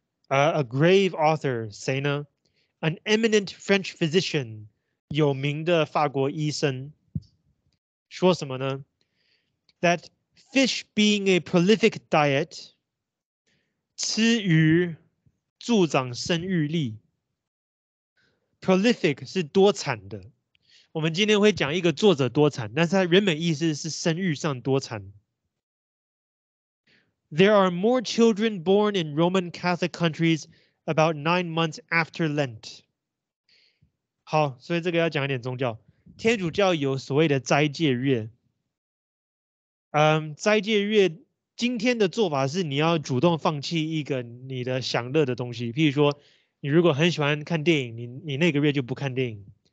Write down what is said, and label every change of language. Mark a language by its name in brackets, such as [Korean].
[English] A grave author [Chinese] 谁呢 [English] ？An eminent French physician [Chinese] 有名的法国医生，说什么呢 [English] ？That fish being a prolific diet。 [Chinese] 吃鱼助长生育力 ，prolific 是多产的。我们今天会讲一个作者多产，但是它原本意思是生育上多产。 [English] There are more children born in Roman Catholic countries about 9 months after Lent。 [Chinese] 好，所以这个要讲一点宗教。天主教有所谓的斋戒月，斋戒月。今天的做法是你要主动放弃一个你的享乐的东西，譬如说你如果很喜欢看电影， 你那个月就不看电影。